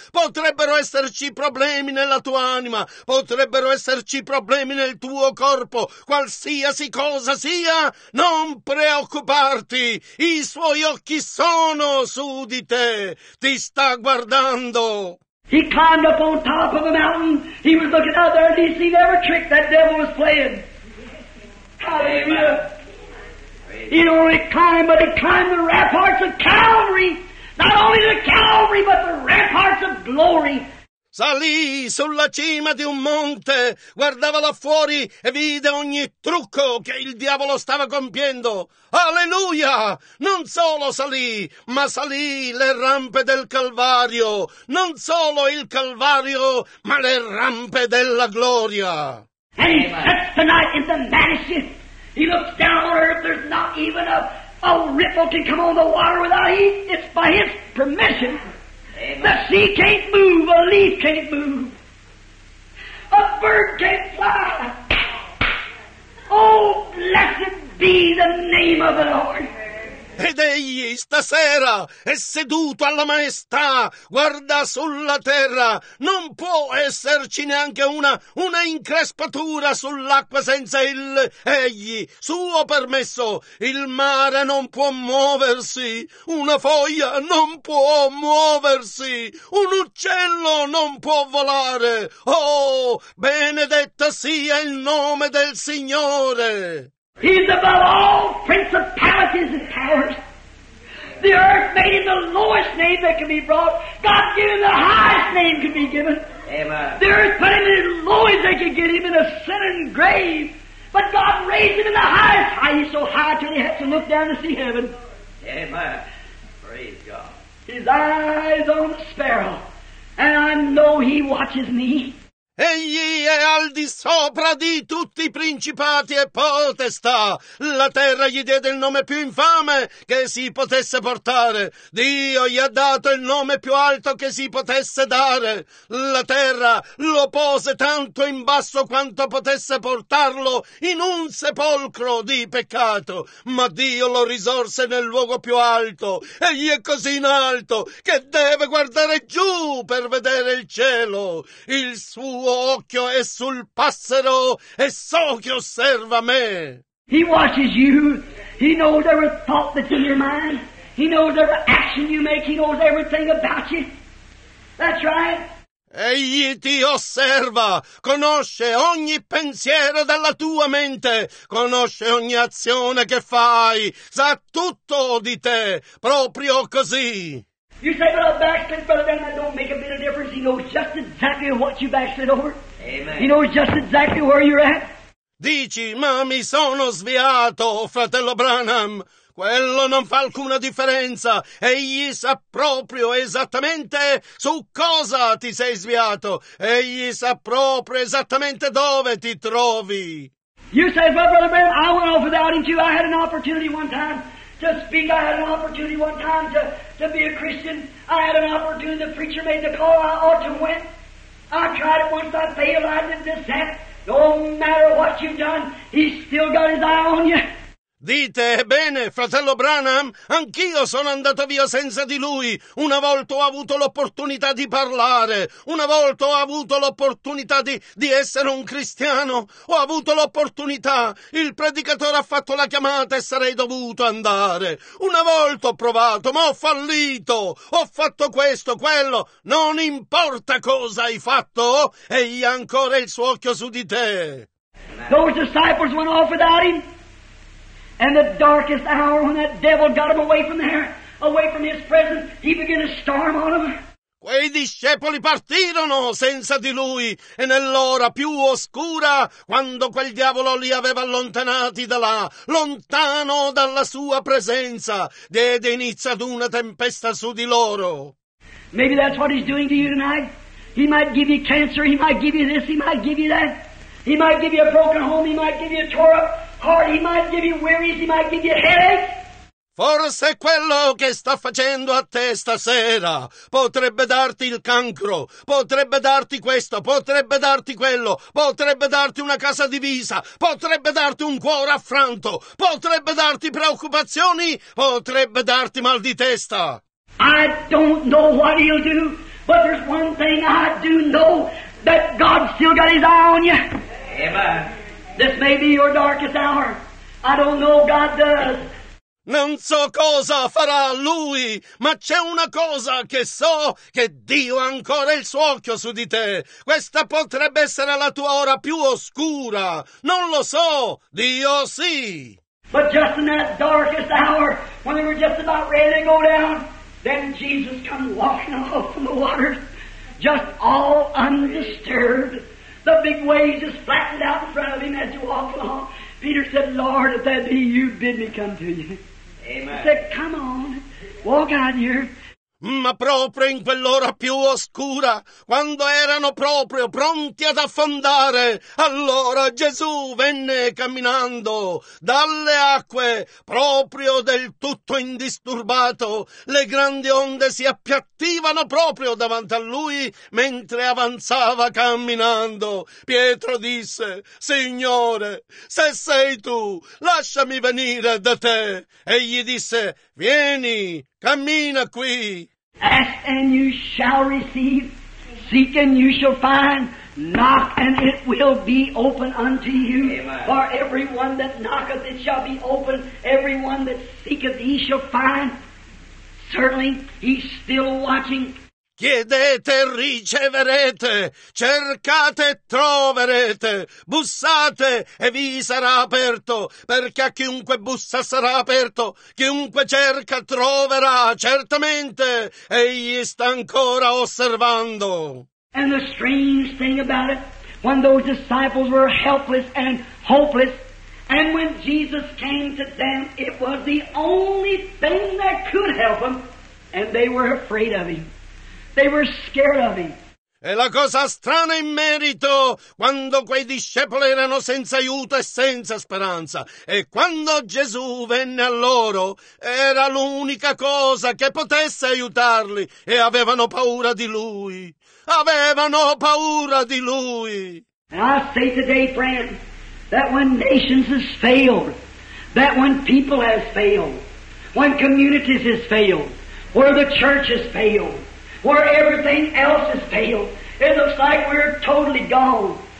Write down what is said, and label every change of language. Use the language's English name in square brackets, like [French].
[Italian] Potrebbero esserci problemi nella tua anima. Potrebbero esserci problemi nel tuo corpo. Qualsiasi cosa sia, non preoccuparti. I suoi occhi sono su di te. Ti sta guardando. [English] He climbed up on top of a mountain. He was looking out there and he seen every trick that devil was playing. Hallelujah. He'd only climb, but he climbed the ramparts of Calvary. Not only the Calvary, but the ramparts of glory. [Italian] Salì sulla cima di un monte, guardava là fuori e vide ogni trucco che il diavolo stava compiendo. Alleluia! Non solo salì, ma salì le rampe del Calvario. Non solo il Calvario, ma le rampe della gloria. [English] And he sets the night in the vanishing. He looks down on earth, there's not even a ripple can come on the water without he. It's by his permission. The sea can't move, a leaf can't move, a bird can't fly. Oh, blessed be the name of the Lord. [Italian] Ed egli stasera è seduto alla maestà, guarda sulla terra, non può esserci neanche una increspatura sull'acqua senza il egli, suo permesso. Il mare non può muoversi, una foglia non può muoversi, un uccello non può volare. Oh, benedetto sia il nome del Signore! [English] He's above all principalities and powers. The earth made him the lowest name that can be brought. God gave him the highest name can be given. Amen. The earth put him as low as they could get him in a sinning grave. But God raised him in the highest height. He's so high till he has to look down to see heaven. Amen. Praise God. His eyes on the sparrow. And I know he watches me. [Italian] Egli è al di sopra di tutti i principati e potestà. La terra gli diede il nome più infame che si potesse portare. Dio gli ha dato il nome più alto che si potesse dare. La terra lo pose tanto in basso quanto potesse portarlo in un sepolcro di peccato. Ma Dio lo risorse nel luogo più alto. Egli è così in alto che deve guardare giù per vedere il cielo. Il suo occhio è sul passero e so che osserva me. [English] He watches you. He knows every thought that's in your mind. He knows every action you make. He knows everything about you. That's right. [Italian] Egli ti osserva, conosce ogni pensiero della tua mente, conosce ogni azione che fai, sa tutto di te, proprio così. [English] You say, well, I backslid, brother, then that don't make a bit of difference. He knows just exactly what you backslid over. Amen. He knows just exactly where you're at. [Italian] Dici, ma mi sono sviato, fratello Branham. Quello non fa alcuna differenza. Egli sa proprio esattamente su cosa ti sei sviato. Egli sa proprio esattamente dove ti trovi. [English] You say, well, brother Branham, I went off without you. I had an opportunity one time. To speak, I had an opportunity one time to be a Christian. I had an opportunity, the preacher made the call, I ought to have went. I tried it once, I failed, I did this, that. No matter what you've done, he's still got his eye on you. [Italian] Dite, ebbene, fratello Branham, anch'io sono andato via senza di lui. Una volta ho avuto l'opportunità di parlare. Una volta ho avuto l'opportunità di essere un cristiano. Ho avuto l'opportunità. Il predicatore ha fatto la chiamata e sarei dovuto andare. Una volta ho provato, ma ho fallito. Ho fatto questo, quello. Non importa cosa hai fatto, egli ha ancora il suo occhio su di te. [English] Those disciples went off without him. And the darkest hour when that devil got him away from there, away from his presence, he began to storm on him. [Italian] Quei discepoli partirono senza di lui, e nell'ora più oscura, quando quel diavolo li aveva allontanati da là, lontano dalla sua presenza, diede inizio ad una tempesta su di loro. [English] Maybe that's what he's doing to you tonight. He might give you cancer, he might give you this, he might give you that. He might give you a broken home, he might give you a tore up. He might give you worries, he might give you headaches. [Italian] Forse quello che sta facendo a te stasera potrebbe darti il cancro, potrebbe darti questo, potrebbe darti quello, potrebbe darti una casa divisa, potrebbe darti un cuore affranto, potrebbe darti preoccupazioni, potrebbe darti mal di testa. [English] I don't know what he'll do, but there's one thing I do know, that God's still got his eye on you. Amen. This may be your darkest hour. I don't know if God does. [Italian] Non so cosa farà lui, ma c'è una cosa che so, che Dio ha ancora il suo occhio su di te. Questa potrebbe essere la tua ora più oscura. Non lo so, Dio sì. [English] But just in that darkest hour, when they were just about ready to go down, then Jesus come walking off from the water, just all undisturbed. The big waves just flattened out in front of him as you walk along. Peter said, Lord, if that be you, bid me come to you. Amen. He said, come on, walk out here. [Italian] Ma proprio in quell'ora più oscura, quando erano proprio pronti ad affondare, allora Gesù venne camminando dalle acque, proprio del tutto indisturbato. Le grandi onde si appiattivano proprio davanti a lui mentre avanzava camminando. Pietro disse, Signore, se sei tu, lasciami venire da te. Egli disse, vieni, cammina qui. [English] Ask and you shall receive, seek and you shall find, knock and it will be open unto you. Amen. For everyone that knocketh it shall be open, everyone that seeketh he shall find. Certainly he's still watching. [Italian] Chiedete, riceverete, cercate, troverete, bussate e vi sarà aperto, perché a chiunque bussa sarà aperto, chiunque cerca troverà, certamente, egli sta ancora osservando. [English] And the strange thing about it, when those disciples were helpless and hopeless, and when Jesus came to them, it was the only thing that could help them, and they were afraid of him. They were scared of him. [Italian] E la cosa strana in merito, quando quei discepoli erano senza aiuto e senza speranza, e quando Gesù venne a loro, era l'unica cosa che potesse aiutarli, e avevano paura di Lui. Avevano paura di Lui. [English] And I say today, friend, that when nations has failed, that when people has failed, when communities has failed, where the church has failed, where everything else has failed, it looks like we're totally gone.